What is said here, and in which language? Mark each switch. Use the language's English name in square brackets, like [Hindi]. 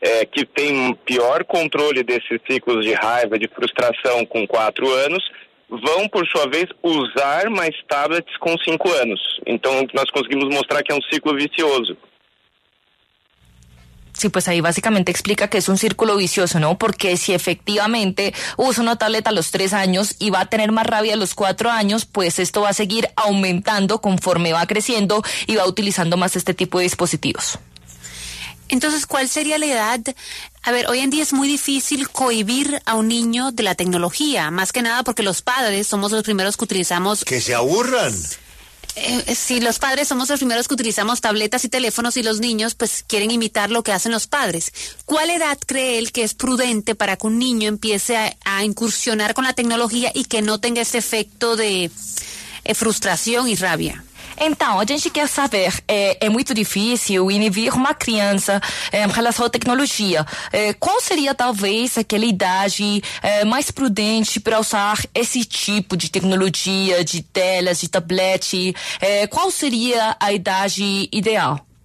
[Portuguese] Que tem pior controle desses ciclos de raiva, de frustração com 4 anos, vão, por sua vez, usar mais tablets com 5 anos. Então, nós conseguimos mostrar que é um ciclo vicioso. [Spanish] Sí, pues ahí básicamente explica que es un círculo vicioso, ¿no? Porque si efectivamente usa una tableta a los 3 años y va a tener más rabia a los 4 años, pues esto va a seguir aumentando conforme va creciendo y va utilizando más este tipo de dispositivos. Entonces, ¿cuál sería la edad? A ver, hoy en día es muy difícil cohibir a un niño de la tecnología, más que nada porque los padres somos los primeros que utilizamos... ¡Que se aburran! Si los padres somos los primeros que utilizamos tabletas y teléfonos y los niños pues quieren imitar lo que hacen los padres, ¿cuál edad cree él que es prudente para que un niño empiece a incursionar con la tecnología y que no tenga ese efecto de frustración y rabia? [Portuguese] Então, a gente quer saber, é muito difícil inibir uma criança em relação à tecnologia. Qual seria, talvez, aquela idade mais prudente para usar esse tipo de tecnologia, de telas, de tablet? Qual seria a idade ideal?